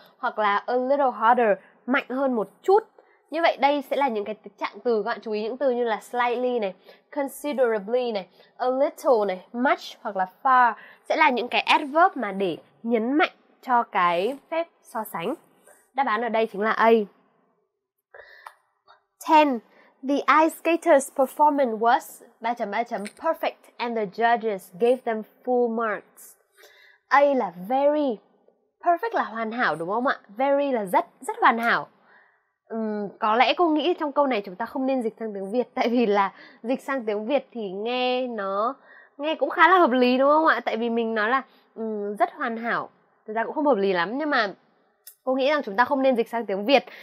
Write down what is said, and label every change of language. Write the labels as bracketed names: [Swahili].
[Vietnamese] Hoặc là [English] a little harder, [Vietnamese] mạnh hơn một chút. Như vậy đây sẽ là những cái trạng từ, các bạn chú ý những từ như là slightly này, considerably này, a little này, much hoặc là far sẽ là những cái adverb mà để nhấn mạnh cho cái phép so sánh. Đáp án ở đây chính là A. 10. [English] The ice skater's performance was perfect and the judges gave them full marks. [Vietnamese] A là very. Perfect là hoàn hảo đúng không ạ? Very là rất, rất hoàn hảo. Có lẽ cô nghĩ trong câu này chúng ta không nên dịch sang tiếng Việt, tại vì là dịch sang tiếng Việt thì nghe nó nghe cũng khá là hợp lý đúng không ạ? Tại vì mình nói là rất hoàn hảo, thực ra cũng không hợp lý lắm, nhưng mà cô nghĩ rằng chúng ta không nên dịch sang tiếng Việt.